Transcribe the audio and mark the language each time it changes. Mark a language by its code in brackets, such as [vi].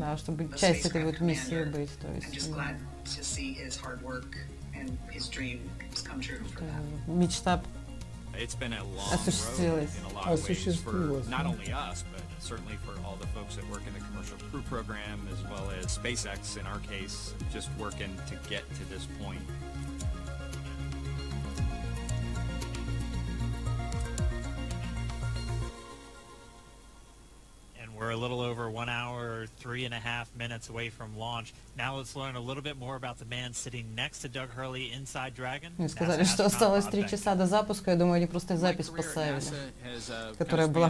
[ru] Да, чтобы часть этой вот миссии быть, то есть. [en] I'm just glad to see his hard work and his dream has come true for that. [ru] Мечта осуществилась. [en] Not only us, but certainly for all the folks that work in the commercial crew program, as well as SpaceX in our case, just working to get to this point. We're a little over 1 hour, 3.5 minutes away from launch. Now let's learn a little bit more about the man sitting next to Doug Hurley inside Dragon. [ru] Мне сказали, что осталось 3 часа до запуска. Я думаю, они просто запись поставили, которая была